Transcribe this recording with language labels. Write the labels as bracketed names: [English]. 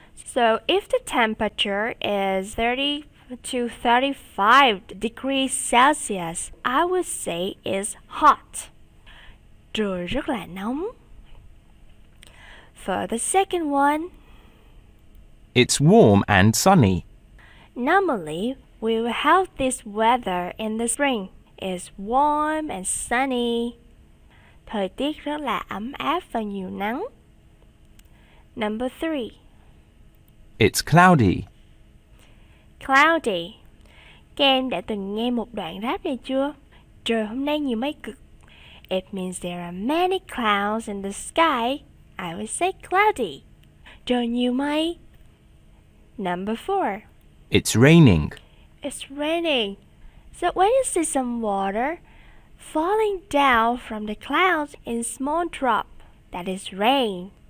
[English] So, if the temperature is 30 to 35 degrees Celsius, I would say it's hot. [Vietnamese] Trời rất là nóng. [English] For the second one, it's warm and sunny. Normally, we will have this weather in the spring. It's warm and sunny. [Vietnamese] Thời tiết rất là ấm áp và nhiều nắng. [English] Number 3. It's cloudy. Cloudy. [Vietnamese] Các em đã từng nghe một đoạn rap này chưa? Trời hôm nay nhiều mây cực. [English] It means there are many clouds in the sky. I would say cloudy. [Vietnamese] Trời nhiều mây. [English] Number 4. It's raining. It's raining. So when you see some water falling down from the clouds in small drop, that is rain.